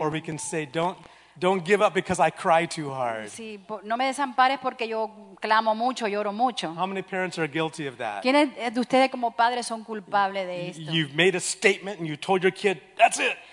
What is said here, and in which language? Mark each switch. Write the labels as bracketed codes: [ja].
[en] Or we can say don't give up because I cry too hard. [es] Sí, no me desampares porque yo clamo mucho, lloro mucho. [en] How many parents are guilty of that? [es] ¿Quiénes de ustedes como padres son culpables de esto? [en] You've made a statement and you told your kid, that's it.